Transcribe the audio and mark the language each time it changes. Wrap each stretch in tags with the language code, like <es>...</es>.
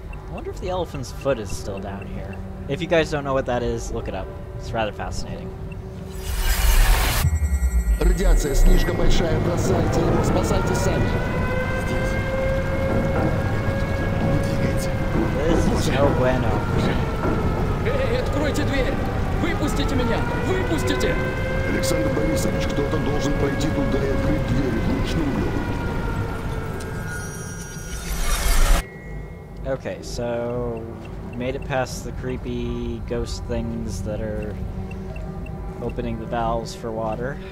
<en>I wonder if the elephant's foot is still down here. If you guys don't know what that is, look it up. It's rather fascinating.</en> <ru>Радиация слишком большая, бросайте его, спасайте сами.</ru> <en>This is</en> <es>no bueno.</es> <ru>Эй, откройте дверь! Выпустите меня! Выпустите! Александр Борисович, кто-то должен пойти туда и открыть дверь. Лучше убью.</ru> <en>Okay, so made it past the creepy ghost things that are opening the valves for water.</en>